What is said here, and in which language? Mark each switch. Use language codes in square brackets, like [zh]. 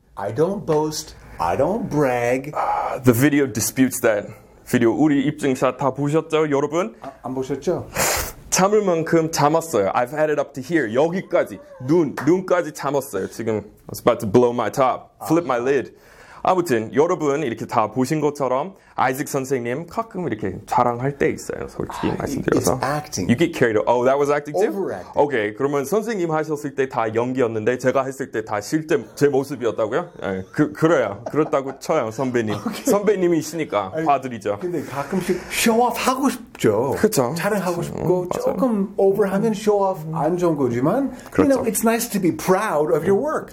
[en] I don't boast. I don't brag. The video disputes that. Video [ko] 우리 입증샷 다 보셨죠, 여러분? 안 보셨죠? 참을 만큼 참았어요. [en] I've had it up to here. [ko] 여기까지. 눈까지 참았어요. [en] 지금 I was about to blow my top. Flip my lid. [ko] 아무튼 여러분 이렇게 다 보신 것처럼 아이작 선생님 가끔 이렇게 자랑할 때 있어요. 솔직히 말씀드려서. [en] It's acting. You get carried away. Oh, that was acting too? Overacting. [ko] Okay, 그러면 선생님 하셨을 때 다 연기였는데 제가 했을 때 다 실제 제 모습이었다고요? 네, 그래요. 그렇다고 쳐요, 선배님. Okay. 선배님이시니까 봐드리죠. 근데 가끔씩 쇼오프 하고 싶죠. 그렇죠. 자랑하고 싶고 맞아요. 조금 오버하면 쇼오프 안 좋은 거지만 그렇죠. [en] You know, it's nice to be proud of your work.